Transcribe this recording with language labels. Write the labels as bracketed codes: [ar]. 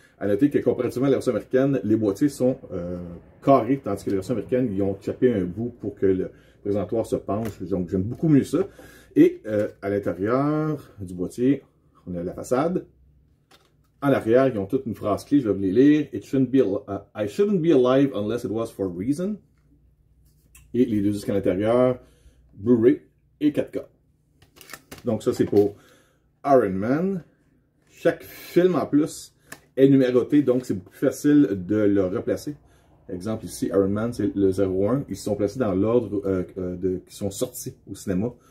[fr] À noter que comparativement à la version américaine, les boîtiers sont carrés, tandis que la version américaine, ils ont chappé un bout pour que le présentoir se penche, donc j'aime beaucoup mieux ça. Et à l'intérieur du boîtier, on a la façade. À l'arrière, ils ont toute une phrase clé, je vais vous les lire. [en] I shouldn't be alive unless it was for a reason. [fr] Et les deux disques à l'intérieur, Blu-ray et 4K. Donc ça, c'est pour Iron Man. Chaque film en plus est numéroté, donc c'est beaucoup plus facile de le replacer. Exemple ici, Iron Man, c'est le 01. Ils sont placés dans l'ordre qui sont sortis au cinéma.